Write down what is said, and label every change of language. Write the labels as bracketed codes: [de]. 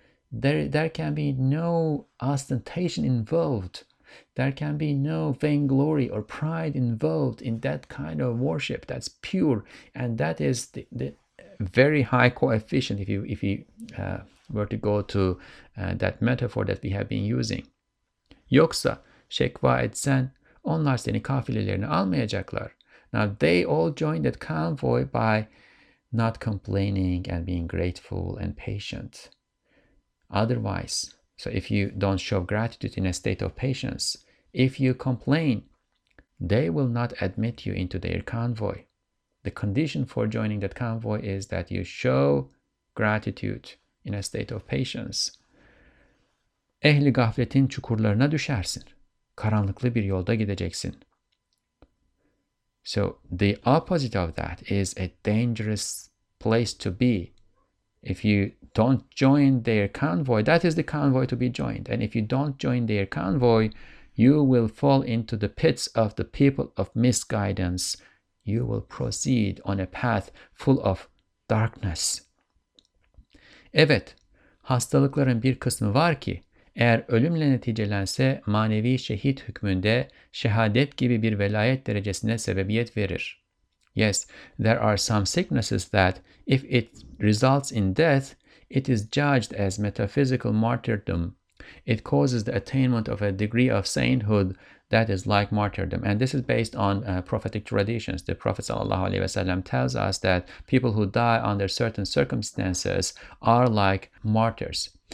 [en] There can be no ostentation involved. There can be no vainglory or pride involved in that kind of worship. That's pure. And that is the very high coefficient, if you were to go to that metaphor that we have been using. [tr] Yoksa şekva etsen, onlar seni kafilelerini almayacaklar. [en] Now, they all joined that convoy by not complaining and being grateful and patient. Otherwise, so if you don't show gratitude in a state of patience, if you complain, they will not admit you into their convoy. The condition for joining that convoy is that you show gratitude in a state of patience. [tr] Ehli gafletin çukurlarına düşersin. Karanlıklı bir yolda gideceksin. [en] So the opposite of that is a dangerous place to be. If you don't join their convoy, that is the convoy to be joined. And if you don't join their convoy, you will fall into the pits of the people of misguidance. You will proceed on a path full of darkness. [tr] Evet, hastalıkların bir kısmı var ki, eğer ölümle neticelense manevi şehit hükmünde şehadet gibi bir velayet derecesine sebebiyet verir. [en] Yes, there are some sicknesses that, if it results in death, it is judged as metaphysical martyrdom. It causes the attainment of a degree of sainthood that is like martyrdom. And this is based on prophetic traditions. The Prophet ﷺ tells us that people who die under certain circumstances are like martyrs.